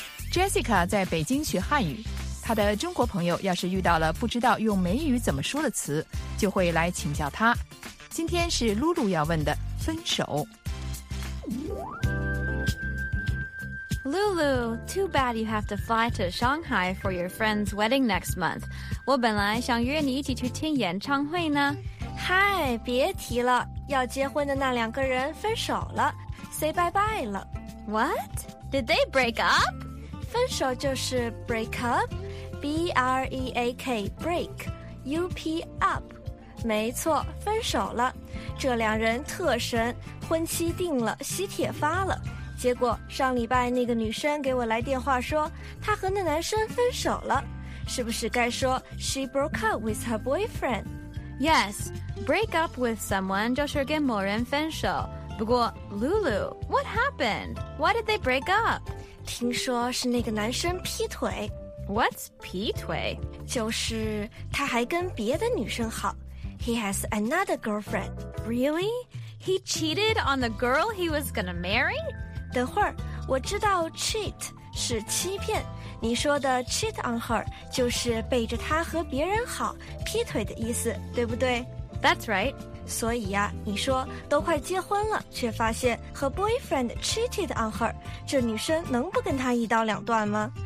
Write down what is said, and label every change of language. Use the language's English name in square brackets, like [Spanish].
[Chinese] Jessica 在北京学汉语，她的中国朋友要是遇到了不知道用美语怎么说的词，就会来请教她。今天是露露要问的分手。 [English] Lulu, too bad you have to fly to Shanghai for your friend's wedding next month. [Chinese] 我本来想约你一起去听演唱会呢。嗨，别提了，要结婚的那两个人分手了 ， [English] say bye bye [Chinese] 了。 [English] What? Did they break up? [Chinese] 分手就是 [English] break up, B-R-E-A-K, break, U-P, up。 [Chinese] 没错，分手了。这两人特神，婚期定了，喜帖发了。结果上礼拜那个女生给我来电话说，她和那男生分手了。是不是该说 [English] she broke up with her boyfriend? Yes, break up with someone [Chinese] 就是跟某人分手。不过 [English] Lulu, what happened? Why did they break up? [Chinese] 听说是那个男生劈腿。 [English] What's 劈腿？ [Chinese] 就是他还跟别的女生好。 [English] He has another girlfriend. Really? He cheated on the girl he was gonna marry? [Chinese] 等会儿，我知道 cheat 是欺骗。你说的 cheat on her 就是背着她和别人好，劈腿的意思，对不对？ [English] That's right. [Chinese] 所以呀，你说都快结婚了，却发现和 [English] boyfriend cheated on her， [Chinese] 这女生能不跟她一刀两断吗？